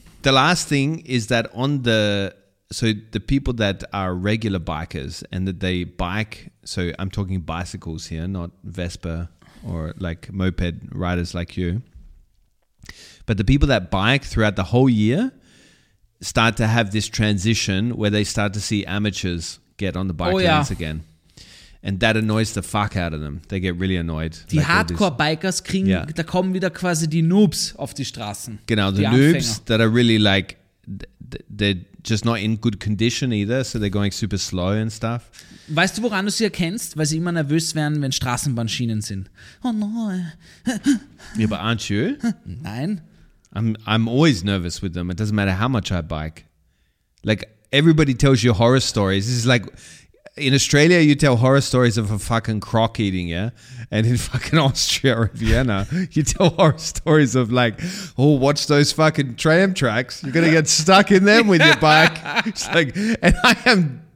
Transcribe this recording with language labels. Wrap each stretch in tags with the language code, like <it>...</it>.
<en>The last thing is that the people that are regular bikers and that they bike, so I'm talking bicycles here, not Vespa or like moped riders like you, but the people that bike throughout the whole year start to have this transition where they start to see amateurs get on the bike lanes again. And that annoys the fuck out of them. They get really annoyed.</en> <de>Die like Hardcore-Bikers kriegen, da kommen wieder quasi die Noobs auf die Straßen. Genau, die Noobs Anfänger.</de> <en>That are really like, they're just not in good condition either, so they're going super slow and stuff.</en> <de>Weißt du, woran du sie erkennst? Weil sie immer nervös werden, wenn Straßenbahnschienen sind.</de> <en>Oh no.</en> <de>Ja, aber</de> <en>aren't you?</en> <de>Nein.</de> <en>I'm always nervous with them. It doesn't matter how much I bike. Like, everybody tells you horror stories. This is like, in Australia, you tell horror stories of a fucking croc eating, yeah? And in fucking Austria or Vienna, you tell horror stories of like, oh, watch those fucking tram tracks. You're going to get stuck in them with your bike. It's like, and I am</en>